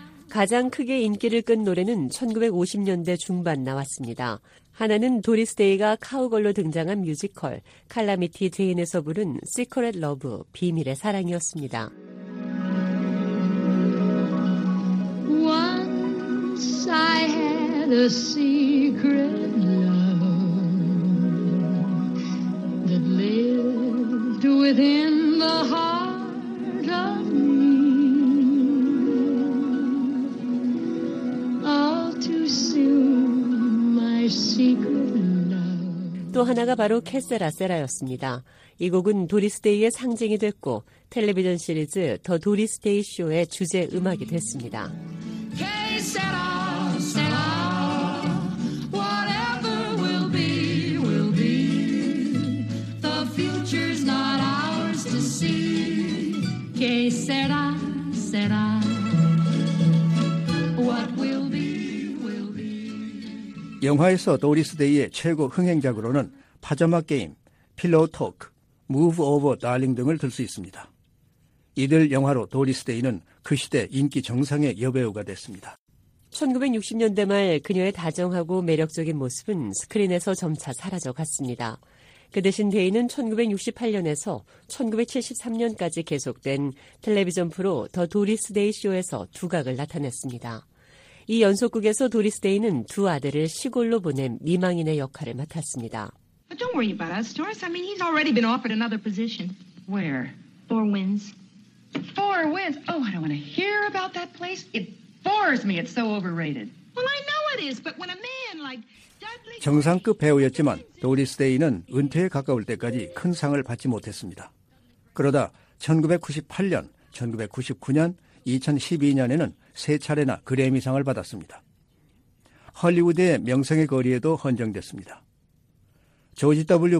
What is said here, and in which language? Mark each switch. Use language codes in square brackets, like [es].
[ko] 가장 크게 인기를 끈 노래는 1950년대 중반 나왔습니다. 하나는 도리스 데이가 카우걸로 등장한 뮤지컬 칼라미티 제인에서 부른 시크릿 러브, 비밀의 사랑이었습니다. [en] Once I had a secret love that lived within the heart of me. All too soon my secret love. [ko] 또 하나가 바로 캐세라세라였습니다. 이 곡은 도리스 데이의 상징이 됐고 텔레비전 시리즈 더 도리스 데이 쇼의 주제 음악이 됐습니다. [en] Whatever will be, will be. The future's not ours to see. [es] Que será, será. [en] What will be, will be. [ko] 영화에서 도리스 데이의 최고 흥행작으로는 파자마 게임, 필로우 토크, 무브 오버 달링 등을 들 수 있습니다. 이들 영화로 도리스 데이는 그 시대 인기 정상의 여배우가 됐습니다. 1960년대 말 그녀의 다정하고 매력적인 모습은 스크린에서 점차 사라져갔습니다. 그 대신 데이는 1968년에서 1973년까지 계속된 텔레비전 프로 더 도리스 데이 쇼에서 두각을 나타냈습니다. 이 연속극에서 도리스 데이는 두 아들을 시골로 보낸 미망인의 역할을 맡았습니다. [en] But don't worry about us, Doris. I mean, he's already been offered another position. Where? Four Winds. Four Winds? Oh, I don't want to hear about that place. It bores me. It's so overrated. Well, I know it is, but when a man like Dudley... [ko] 정상급 배우였지만 도리스 데이는 은퇴에 가까울 때까지 큰 상을 받지 못했습니다. 그러다 1998년, 1999년, 2012년에는 세 차례나 그래미상을 받았습니다. 할리우드의 명성의 거리에도 헌정됐습니다. 조지 W.